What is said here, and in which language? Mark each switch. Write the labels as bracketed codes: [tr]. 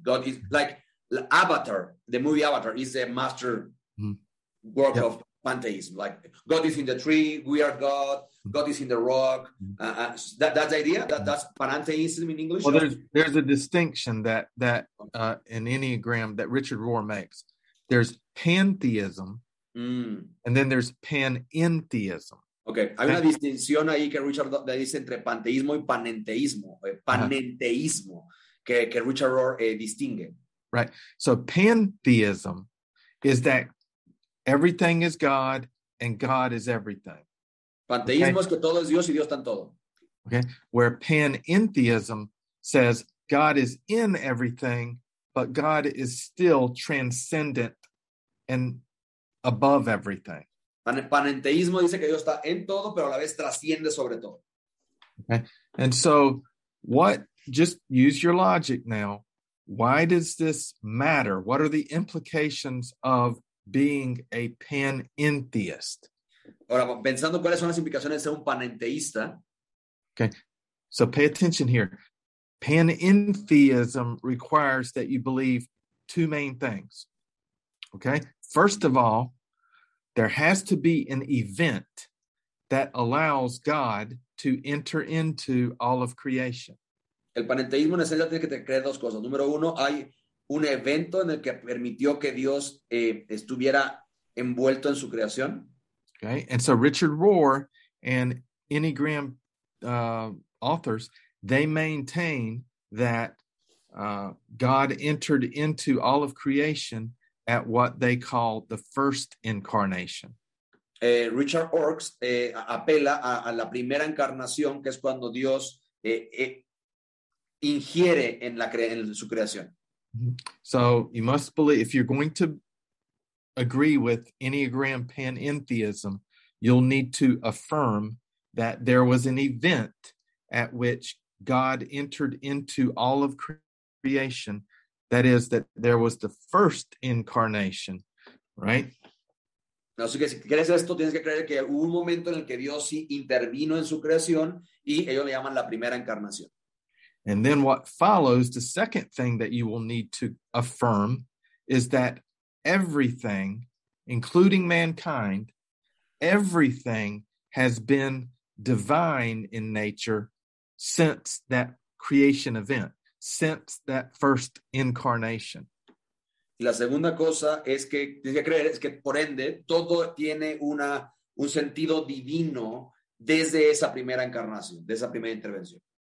[en] God is like Avatar, the movie Avatar, is the master work of pantheism, like God is in the tree, we are God, God is in the rock. That's the idea? That's panentheism in English? Well, there's a distinction that an Enneagram that Richard Rohr makes. There's pantheism, and then there's panentheism. [es] Okay, hay una distinción ahí que Richard Rohr dice entre panteísmo y panenteísmo, panenteísmo, que Richard Rohr distingue. [en] Right, so pantheism is that everything is God and God is everything. [es] Panteísmo es que todo es Dios y Dios está en todo. [en] Okay, where panentheism says God is in everything, but God is still transcendent and above everything. [es] Panenteísmo dice que Dios está en todo, pero a la vez trasciende sobre todo. [en] Okay. And so, what, just use your logic now. Why does this matter? What are the implications of being a panentheist? [es] Ahora, pensando cuáles son las implicaciones de ser un panenteísta. [en] Okay. So, pay attention here. Panentheism requires that you believe two main things. Okay. First of all, there has to be an event that allows God to enter into all of creation. [es] El panenteísmo en esencia tiene que creer dos cosas. Número uno, hay un evento en el que permitió que Dios estuviera envuelto en su creación. [en] Okay. And so Richard Rohr and Enneagram authors, they maintain that God entered into all of creation at what they call the first incarnation. [es] Richard Orks apela a la primera encarnación, que es cuando Dios ingiere en su creación. [en] So you must believe, if you're going to agree with Enneagram panentheism, you'll need to affirm that there was an event at which God entered into all of creation. That is, that there was the first incarnation, right? [es] Así que si crees esto, tienes que creer que hubo un momento en el que Dios sí intervino en su creación, y ellos le llaman la primera encarnación. [en] And then what follows, the second thing that you will need to affirm, is that everything, including mankind, everything has been divine in nature since that creation event. Since that first incarnation. [es] Y la segunda cosa es que tienes que creer es que por ende todo tiene un sentido divino desde esa primera encarnación, desde esa primera intervención.